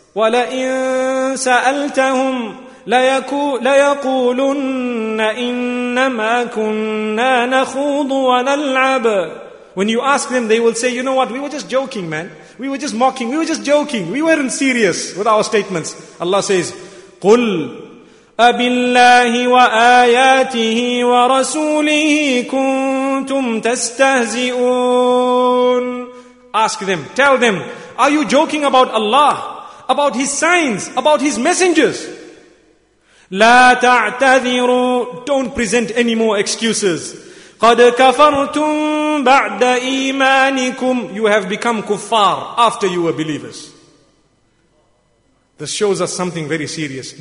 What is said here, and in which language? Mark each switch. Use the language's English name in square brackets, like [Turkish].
[Arabic] وَلَئِن سَأَلْتَهُمْ لَيَقُولُنَّ إِنَّمَا كُنَّا نَخُوضُ وَنَلْعَبُ. [English] When you ask them, they will say, you know what, we were just joking, man. We were just mocking. We were just joking. We weren't serious with our statements. Allah says, [Arabic] قُلْ أَبِاللَّهِ وَآيَاتِهِ وَرَسُولِهِ كُنْتُمْ تَسْتَهْزِئُونَ. [English] Ask them, tell them, are you joking about Allah, about His signs, about His messengers? [Arabic] لَا تَعْتَذِرُوا. [English] Don't present any more excuses. [Arabic] قَدْ كَفَرْتُمْ بَعْدَ إِيمَانِكُمْ. [English] You have become kuffar after you were believers. This shows us something very serious.